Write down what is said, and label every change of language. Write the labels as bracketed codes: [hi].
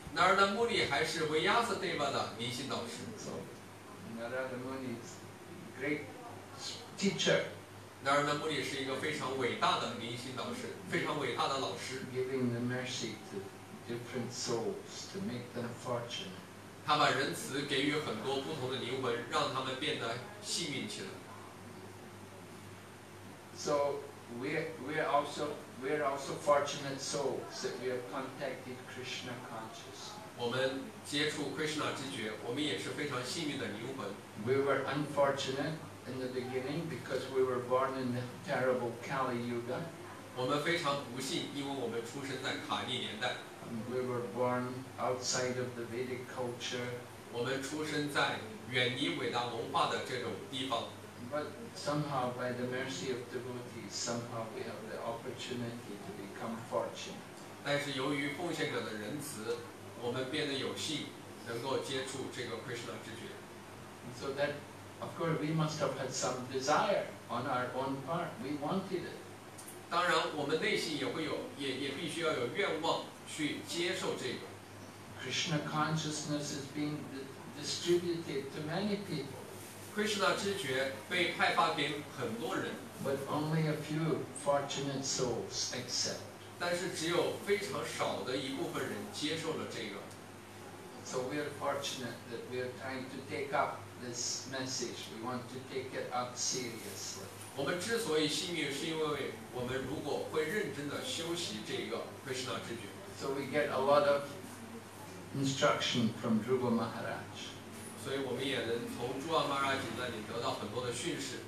[zh] Narada Muni 还是 Vyasadeva 的灵性导师。 [en] So, Narada Muni is great teacher. [zh] Narada Muni 是一个非常伟大的灵性导师，非常伟大的老师。 [en] Giving the mercy to different souls to make them fortunate. [zh] 他把仁慈给予很多不同的灵魂，让他们变得幸运起来。 [en] So we are also fortunate souls that we have contacted Krishna consciousness. [zh] 我们接触 Krishna 知觉，我们也是非常幸运的灵魂。 [en] We were unfortunate in the beginning because we were born in the terrible Kali Yuga. [zh] 我们非常不幸，因为我们出生在卡利年代。 [en] We were born outside of the Vedic culture. [zh] 我们出生在远离伟大文化的这种地方。 [en] But somehow, by the mercy of devotees, somehow we have the opportunity to become fortunate. [zh] 但是由于奉献者的仁慈，我们变得有幸能够接触这个 Krishna 知觉。 [en] So that, of course, we must have had some desire on our own part. We wanted it. [zh] 当然，我们内心也会有，也必须要有愿望去接受这个。 [en] Krishna consciousness is being distributed to many people. [zh] 奎士那之爵被派发给很多人, [en] but only a few fortunate souls accept. [zh] 但是只有非常少的一部分人接受了这个。 [en] So we are fortunate that we are trying to take up this message. We want to take it up seriously. [zh] 我们之所以幸运是因为我们如果会认真地修习这个奎士那之爵。 [en] So we get a lot of instruction from Dhruva Maharaj. [zh] 所以我们也能从朱阿玛拉吉那里得到很多的训示。